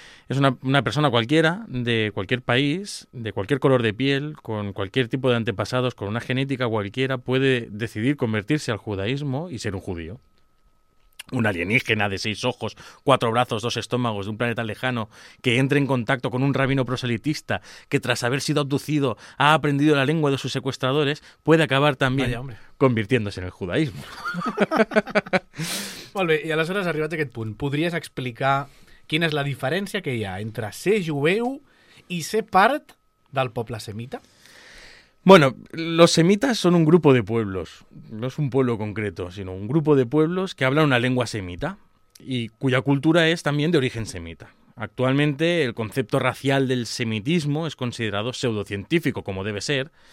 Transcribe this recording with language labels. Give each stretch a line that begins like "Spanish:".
Spanish: Es una persona cualquiera, de cualquier país, de cualquier color de piel, con cualquier tipo de antepasados, con una genética cualquiera, puede decidir convertirse al judaísmo y ser un judío. Un alienígena de 6 ojos, 4 brazos, 2 estómagos de un planeta lejano que entre en contacto con un rabino proselitista que tras haber sido abducido ha aprendido la lengua de sus secuestradores puede acabar también convirtiéndose en el judaísmo.
Catalan: Molt bé, i aleshores arribat a aquest punt, podries explicar quina és la diferència que hi ha entre ser jueu i ser part del poble semita?
Spanish: Bueno, los semitas son un grupo de pueblos, no es un pueblo concreto, sino un grupo de pueblos que hablan una lengua semita y cuya cultura es también de origen semita. Actualmente el concepto racial del semitismo es considerado pseudocientífico, como debe ser.